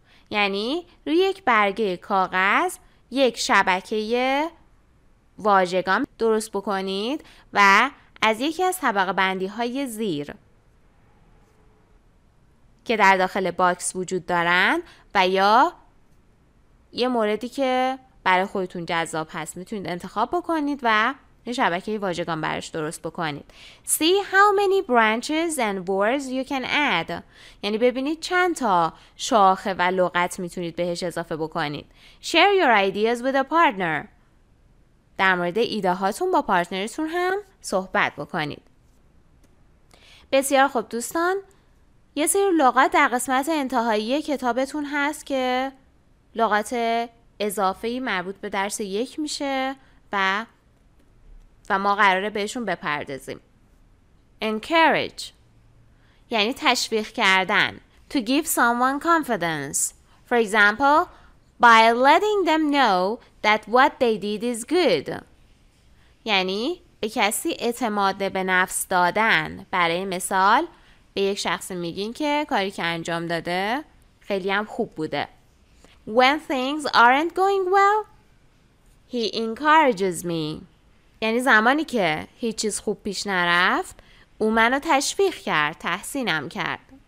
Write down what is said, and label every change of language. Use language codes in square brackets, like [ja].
[fa] یعنی روی یک برگه کاغذ یک شبکه واژگان درست بکنید و از یکی از طبقه بندی های زیر که در داخل باکس وجود دارن و یا یه موردی که برای خودتون جذاب هست میتونید انتخاب بکنید و یه شبکه واژگان براش درست بکنید. [en] See how many branches and words you can add. [fa] یعنی ببینید چند تا شاخه و لغت میتونید بهش اضافه بکنید. [en] Share your ideas with a partner. [fa] در مورد ایده هاتون با پارتنرتون هم صحبت بکنید. بسیار خوب دوستان، یه سری لغات در قسمت انتهایی کتابتون هست که لغات اضافه‌ای مربوط به درس یک میشه و ما قراره بهشون بپردازیم. Encourage یعنی تشویق کردن. [en] To give someone confidence. For example, by letting them know that what they did is good. [fa] یعنی به کسی اعتماد به نفس دادن. برای مثال به یک شخص میگین که کاری که انجام داده خیلی هم خوب بوده. [en] When things aren't going well, he encourages me. [fa] یعنی زمانی که هیچ چیز خوب پیش نرفت او منو تشویق کرد، تحسینم کرد.